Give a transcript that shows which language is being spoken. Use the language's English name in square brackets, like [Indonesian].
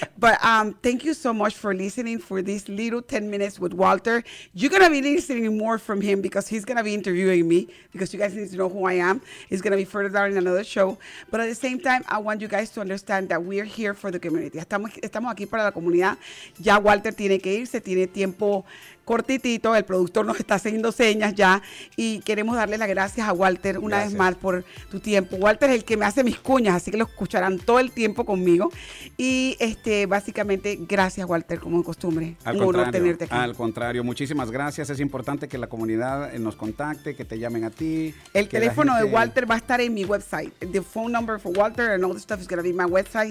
[English] But thank you so much for listening for this little 10 minutes with Walter. You're going to be listening more from him because he's going to be interviewing me, because you guys need to know who I am. He's going to be further down in another show. But at the same time, I want you guys to understand that we are here for the community. [Spanish] Estamos aquí para la comunidad. Ya Walter tiene que irse, tiene tiempo cortitito. El productor nos está haciendo señas ya. Y queremos darle las gracias a Walter una vez más por tu tiempo. Walter es el que me hace mis cuñas, así que lo escucharán todo el tiempo conmigo. Y básicamente, gracias Walter, como de costumbre. Al contrario, muchísimas gracias. Es importante que la comunidad nos contacte, que te llamen a ti. El teléfono de Walter va a estar en mi website. [English] The phone number for Walter and all the stuff is going to be my website.